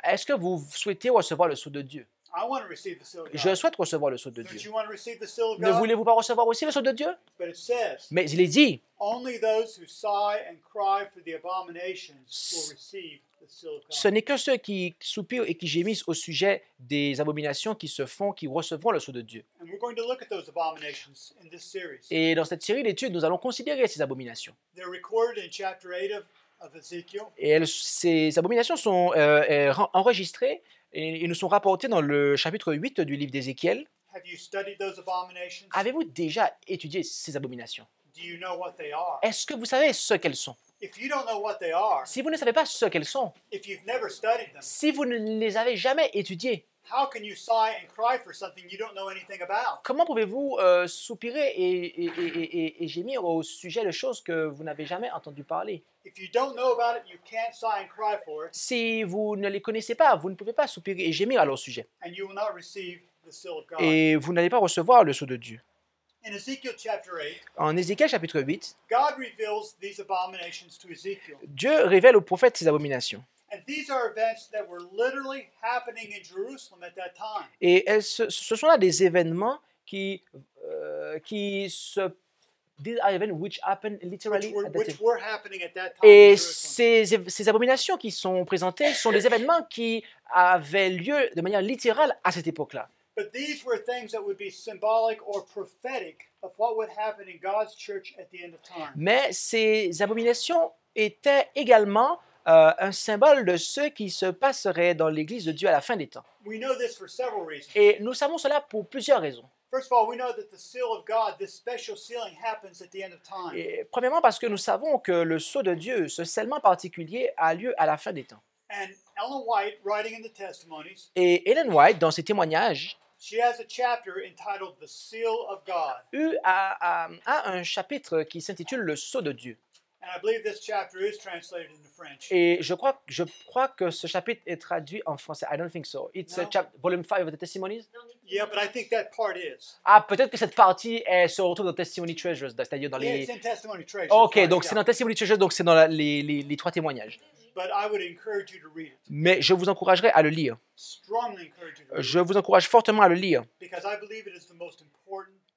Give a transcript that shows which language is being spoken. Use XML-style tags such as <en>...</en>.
<fr>Est-ce que vous souhaitez recevoir le sceau de Dieu?</fr> <en>I want to receive the seal of God.</en> <fr>Je souhaite recevoir le sceau de Dieu.</fr> <en>Don't you want to receive the seal of God?</en> <fr>Ne voulez-vous pas recevoir aussi le sceau de Dieu?</fr> <en>But it says,</en> <fr>mais il est dit,</fr> <en>only those who sigh and cry for the abominations will receive the seal of God.</en> <fr>Ce n'est que ceux qui soupirent et qui gémissent au sujet des abominations qui se font, qui recevront le sceau de Dieu.</fr> <en>And we're going to look at those abominations in this series.</en> <fr>Et dans cette série d'études, nous allons considérer ces abominations.</fr> <en>They're recorded in chapter 8 of Ezekiel.</en> <fr>Et ces abominations sont enregistrées et nous sont rapportées dans le chapitre 8 du livre d'Ézéchiel.</fr> <en>Have you studied those abominations?</en> <fr>Avez-vous déjà étudié ces abominations?</fr> <en>Do you know what they are?</en> <fr>Est-ce que vous savez ce qu'elles sont?</fr> <en>If you don't know what they are,</en> <fr>si vous ne savez pas ce qu'elles sont,</fr> <en>if you've never studied them,</en> <fr>si vous ne les avez jamais étudiées,</fr> <en>how can you sigh and cry for something you don't know anything about?</en> <fr>Comment pouvez-vous soupirer et gémir au sujet de choses que vous n'avez jamais entendu parler?</fr> <en>If you don't know about it, you can't sigh and cry for it.</en> <fr>Si vous ne les connaissez pas, vous ne pouvez pas soupirer et gémir à leur sujet.</fr> <en>And you will not receive the seal of God.</en> <fr>Et vous n'allez pas recevoir le sceau de Dieu.</fr> <en>In Ezekiel chapter 8.</en> <fr>En Ézéchiel chapitre 8.</fr> <en>God reveals these abominations to Ezekiel.</en> <fr>Dieu révèle au prophète ces abominations.</fr> <en>And these are events that were literally happening in Jerusalem at that time.</en> <fr>Et ce sont là des événements qui se</fr> <en>these are events which happened literally which were, at that which were happening at that time.</en> <fr>Et ces abominations qui sont présentées sont des événements qui avaient lieu de manière littérale à cette époque-là.</fr> <en>But these were things that would be symbolic or prophetic of what would happen in God's church at the end of time.</en> <fr>Mais ces abominations étaient également un symbole de ce qui se passerait dans l'Église de Dieu à la fin des temps.</fr> <en>We know this for several reasons.</en> <fr>Et nous savons cela pour plusieurs raisons.</fr> <en>First of all, we know that the seal of God, this special sealing, happens at the end of time.</en> <fr>Et premièrement, parce que nous savons que le sceau de Dieu, ce scellement particulier, a lieu à la fin des temps.</fr> <en>And Ellen White, writing in the testimonies,</en> <fr>et Ellen White, dans ses témoignages,</fr> <en>she has a chapter entitled "The Seal of God."</en> <fr>a un chapitre qui s'intitule le sceau de Dieu.</fr> <en>And I believe this chapter is translated into French.</en> <fr>Et je crois que ce chapitre est traduit en français.</fr> <en>I don't think so. It's volume 5 of the Testimonies. Yeah, but I think that part is.</en> <fr>Ah, peut-être que cette partie est surtout dans Testimony Treasures, c'est-à-dire dans les.</fr> <en>Yeah, it's in Testimony Treasures. Okay, right,</en> <fr>donc yeah. C'est dans Testimony Treasures, donc c'est dans les trois témoignages.</fr> <en>But I would encourage you to read it.</en> <fr>Mais je vous encouragerai à le lire.</fr> <en>Strongly encourage you to read it.</en> <fr>Je vous encourage fortement à le lire.</fr> <en>Because I believe it is the most important.</en>